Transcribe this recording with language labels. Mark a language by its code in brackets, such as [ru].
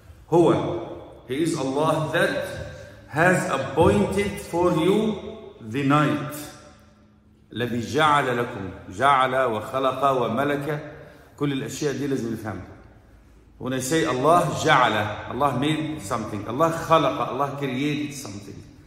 [en] هو he is Allah that has appointed for you the night. [ar] الذي جعل لكم, جعل وخلق وملك كل الأشياء دي لازم نفهمها. [en] When I say Allah جعل, Allah made something. Allah خلق, Allah created something.